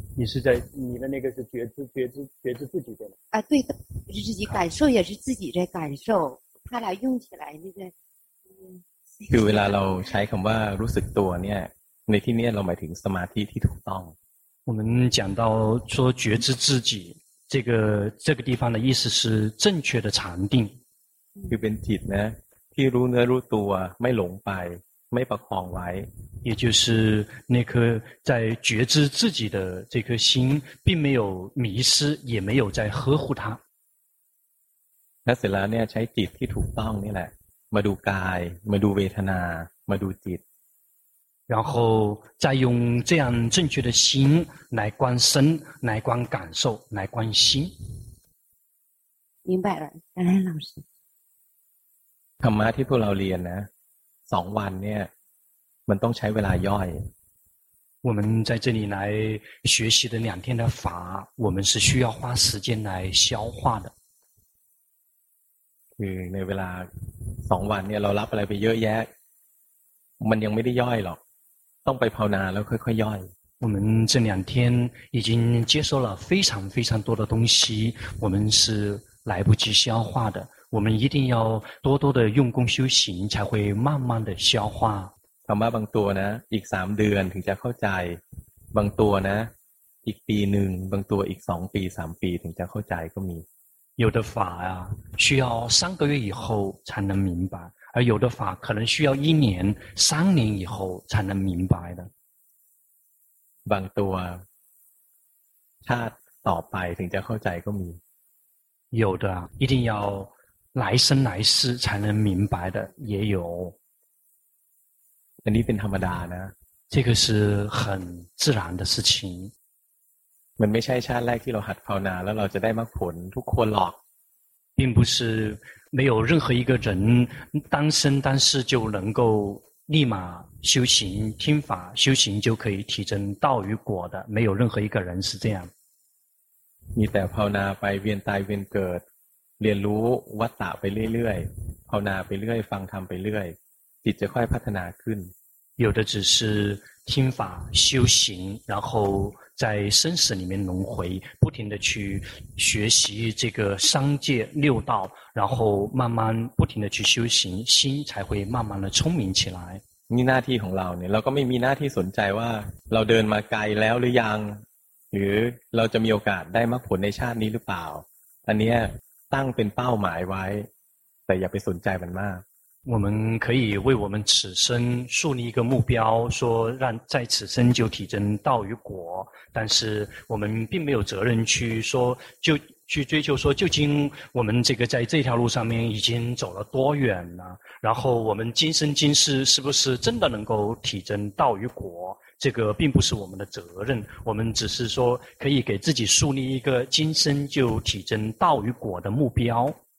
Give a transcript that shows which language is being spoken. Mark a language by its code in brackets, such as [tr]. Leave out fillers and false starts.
[zh] 你是在你的那个是觉知自己的吗？啊，对的，是自己感受，也是自己在感受，他俩用起来那个。 [th] คือเวลาเราใช้คำว่ารู้สึกตัวเนี่ยในที่นี้เราหมายถึงสมาธิที่ถูกต้อง [zh] 我们讲到说觉知自己这个地方的意思是正确的禅定 [th] คือเป็นจิตนะที่รู้เนื้อรู้ตัวไม่หลงไปไม่ประคองไว้ [zh] 也就是那颗在觉知自己的这颗心并没有迷失也没有在呵护它 [th] และเสร็จแล้วเนี่ยใช้จิตที่ถูกต้องนี่แหละมาดูกายมาดูเวทนามาดูจิต [zh] 然后再用这样正确的心来观身来观感受来观心明白了感恩老师 [th] ธรรมะที่พวกเราเรียนนะ2วันเนี่ยมันต้องใช้เวลาย่อย [zh] 我们在这里来学习的两天的法我们是需要花时间来消化的 [th] คือในเวลา2วันเนี่ยเรารับอะไรไปเยอะแยะมันยังไม่ได้ย่อยหรอกต้องไปภาวนาแล้วค่อยๆย่อย [zh] 我们这两天已经接受了非常非常多的东西我们是来不及消化的我们一定要多多的用功修行才会慢慢的消化 [th] ธรรมะบางตัวนะอีก3เดือนถึงจะเข้าใจบางตัวนะอีกปีนึงบางตัวอีก2ปี3ปีถึงจะเข้าใจก็มี [zh] 有的法啊需要三个月以后才能明白而有的法可能需要一年三年以后才能明白的 [th] บางตัวชาติต่อไปถึงจะเข้าใจก็มี [zh] 有的一定要来生来世才能明白的也有 [th] อันนี้เป็นธรรมดานะ [zh] 这个是很自然的事情 [th] มันไม่ใช่ชาติแรกที่เราหัดภาวนาแล้วเราจะได้มรรคผลทุกคนหรอก [zh] 并不是没有任何一个人当生当世就能够立马修行听法修行就可以提升道与果的没有任何一个人是这样 [th] มีแต่ภาวนาไปเวียนตายเวียนเกิดเรียนรู้วัฏฏะไปเรื่อยๆภาวนาไปเรื่อยฟังธรรมไปเรื่อยจิตจะค่อยพัฒนาขึ้น [zh] 有的只是听法修行然后在生死里面轮回不停地去学习这个三界六道然后慢慢不停地去修行心才会慢慢地聪明起来 [th] นี่หน้าที่ของเราเนี่ยเราก็ไม่มีหน้าที่สนใจว่าเราเดินมาไกลแล้วหรือยังหรือเราจะมีโอกาสได้มรรคผลในชาตินี้หรือเปล่าอันนี้ตั้งเป็นเป้าหมายไว้แต่อย่าไปสนใจมันมาก [zh] 我们可以为我们此生树立一个目标说让在此生就体证道与果但是我们并没有责任去说就去追求说究竟我们这个在这条路上面已经走了多远了然后我们今生今世是不是真的能够体证道与果这个并不是我们的责任我们只是说可以给自己树立一个今生就体证道与果的目标